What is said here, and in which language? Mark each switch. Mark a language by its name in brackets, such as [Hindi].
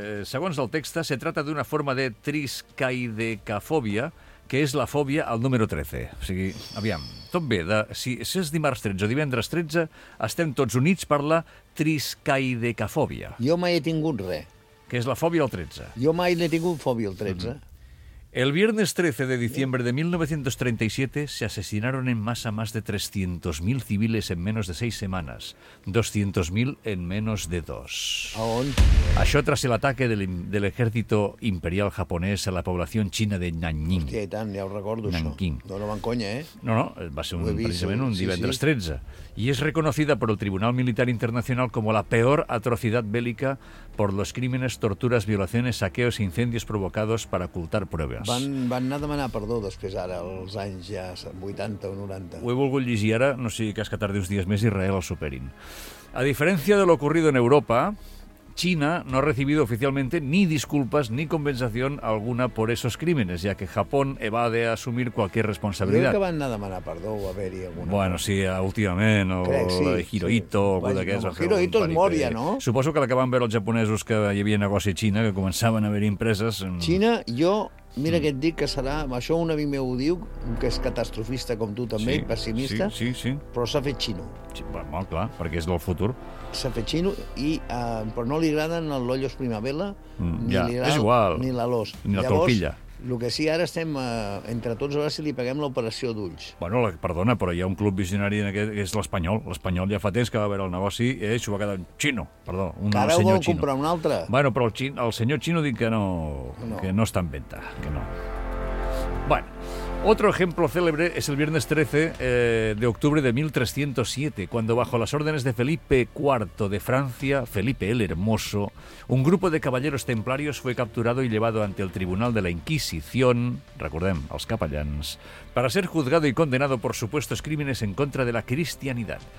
[Catalan] Segons el text, [Spanish] se trata [Catalan] d'una forma de triskaidecafòbia, que és la fòbia al número 13. O sigui, aviam, tot bé. Si és dimarts 13 o divendres 13, estem tots units per la triskaidecafòbia. Jo mai he tingut res. Que és la fòbia al 13. Jo mai n'he tingut fòbia al 13. [Spanish] El viernes 13 de diciembre de 1937 se asesinaron en masa más de 300.000 civiles en menos de 6 semanas. 200.000 en menos de 2. [Catalan] ¿A on? [Spanish] Això tras el ataque del ejército imperial japonés a la población china de Nanjing. [Catalan] Hòstia, i tant, ja ho recordo, Nanjing. Això. No van conya, eh? No, va ser precisament un divendres, sí, sí. 13. [Spanish] Y es reconocida por el Tribunal Militar Internacional como la peor atrocidad bélica por los crímenes, torturas, violaciones, saqueos e incendios provocados para ocultar pruebas. [Catalan] Van anar a demanar perdó després, ara, als anys ja 80 o 90. Ho he volgut llegir ara, no sigui cas que tardi uns dies més i Israel el superin. [Spanish] A diferència de lo ocurrido en Europa, China no ha recibido oficialmente ni disculpas ni compensación alguna por esos crímenes, ya que Japón evade asumir cualquier responsabilidad. [Catalan] Creo que van anar a demanar perdó o haver-hi alguna... Bueno, sí, últimament, o crec, sí, Hirohito, sí. O algú d'aquests... Hirohito és mort, ja, no? Suposo que l'acaben veure els japonesos que hi havia negoci a Xina, que començaven a haver-hi empreses... Xina, jo... Mira que et dic que serà... Això un amic meu ho diu, que és catastrofista com tu també, sí, pessimista, sí, sí, sí. Però s'ha fet xino. Sí, bé, molt clar, perquè és del futur. S'ha fet xino, i, però no li agraden el Lollos Primavera, ni l'Alós. Ni la Tolpilla. El que sí, ara estem entre tots, ara si li paguem l'operació d'ulls. Bueno, perdona, però hi ha un club visionari en aquest, que és l'Espanyol. L'Espanyol ja fa temps que va veure el negoci i això va quedar xino, perdó. Ara ho vol comprar un altre. Bueno, però el senyor xino diu que no està en venta, que no. [Spanish] Bueno, otro ejemplo célebre es el viernes 13 de octubre de 1307, cuando bajo las órdenes de Felipe IV de Francia, Felipe el Hermoso, un grupo de caballeros templarios fue capturado y llevado ante el Tribunal de la Inquisición, [Catalan] recordem, els capellans, [Spanish] para ser juzgado y condenado por supuestos crímenes en contra de la cristianidad.